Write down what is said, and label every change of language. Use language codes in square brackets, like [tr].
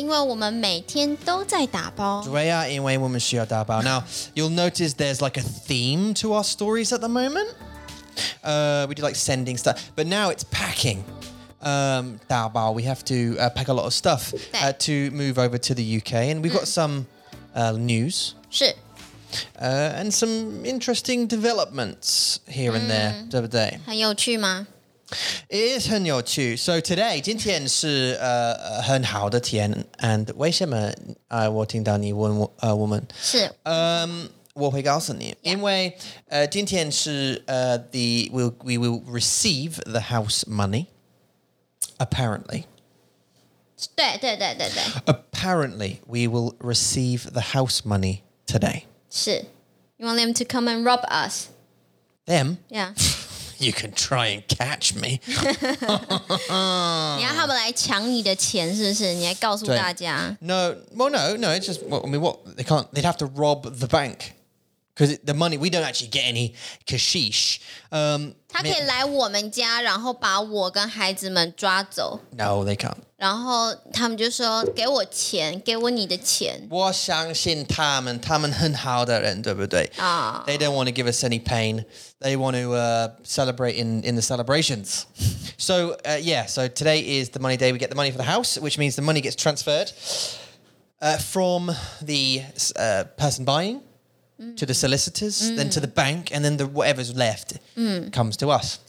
[zh] 因为我们每天都在打包. 对啊, 因为我们需要打包. [en] Now, you'll notice there's like a theme to our stories at the moment. We do like sending stuff, but now it's packing. 打包, we have to pack a lot of stuff to move over to the UK, and we've got some news. [zh] 是. [en] And some interesting developments here and there, [zh] 对不对? 很有趣吗? [en] It is [zh] 很有趣. [en] So today, [zh] 今天是 很好的天, and 为什么 我听到你问我们? 是. 我会告诉你, yeah. 因为 今天是 [en] we will receive the house money. Apparently. [zh] 对对对对对. [en] Apparently, we will receive the house money today. [zh] 是. [en] You want them to come and rob us? Them? Yeah. You can try and catch me. [zh] 你要他们来抢你的钱是不是? 你来告诉大家? [en] No, it's just, well, I mean, what? They can't, they'd have to rob the bank. Because the money, we don't actually get any cashish. [zh] 他可以来我们家,然后把我跟孩子们抓走. [en] No, they can't. [zh] 然后他们就说,给我钱,给我你的钱. 我相信他们,他们很好的人,对不对? Oh. [en] They don't want to give us any pain. They want to celebrate in the celebrations. So, yeah, so today is the money day. We get the money for the house, which means the money gets transferred from the person buying to the solicitors, then to the bank, and then the whatever's left comes to us.